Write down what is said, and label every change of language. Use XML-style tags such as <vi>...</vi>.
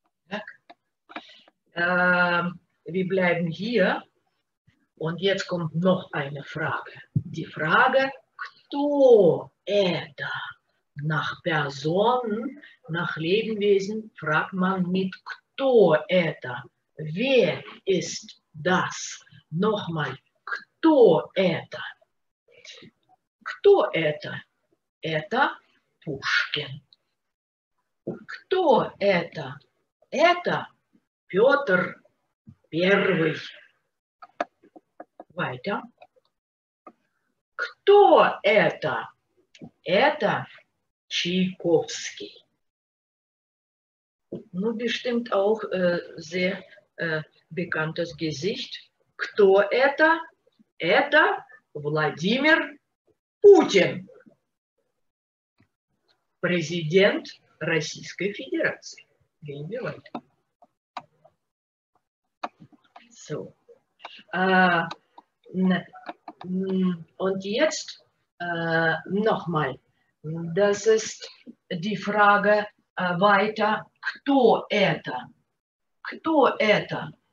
<de>Так. Wir bleiben hier. Und jetzt kommt noch eine Frage. Die Frage,</de> <ru>кто это?</ru> <de>Nach Personen, nach Lebewesen fragt man mit</de> <ru>кто это?</ru> <de>Wer ist das? Nochmal,</de> <ru>кто это? Кто это? Это Пушкин. Кто это? Это Петр Первый. Вайта. Кто это? Это Чайковский.</ru> <de>Ну, bestimmt auch sehr bekanntes Gesicht.</de> <ru>Кто это? Это Владимир Путин. Президент Российской Федерации.</ru> <de>So. Und jetzt nochmal, das ist die Frage weiter,</de> <ru>кто это? Кто это?</ru>